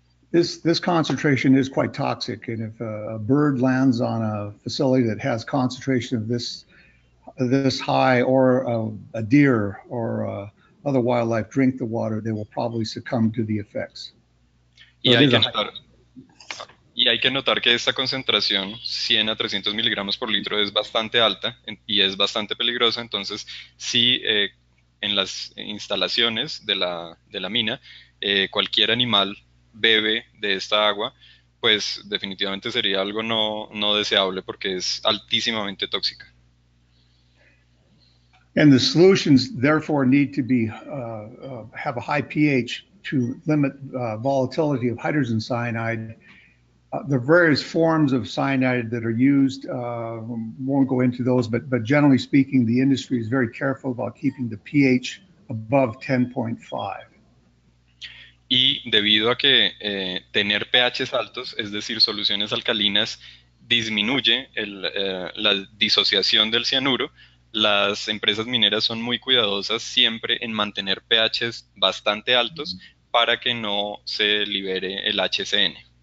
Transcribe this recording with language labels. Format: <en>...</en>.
<en>This concentration is quite toxic, and if a bird lands on a facility that has concentration of this high, or a deer or other wildlife drink the water, they will probably succumb to the effects. So it is a high.</en> <es>Y hay que notar que esta concentración, 100 a 300 miligramos por litro, es bastante alta y es bastante peligrosa. Entonces, sí, en las instalaciones de la mina, cualquier animal bebe de esta agua, pues definitivamente sería algo no deseable porque es altísimamente tóxica.</es> <en>And the solutions therefore need to be have a high pH to limit volatility of hydrogen cyanide. The various forms of cyanide that are used, won't go into those, but generally speaking, the industry is very careful about keeping the pH above 10.5.</en> <es>Y debido a que tener pHs altos, es decir, soluciones alcalinas, disminuye la disociación del cianuro, las empresas mineras son muy cuidadosas siempre en mantener pHs bastante altos para que no se libere el HCN.</es>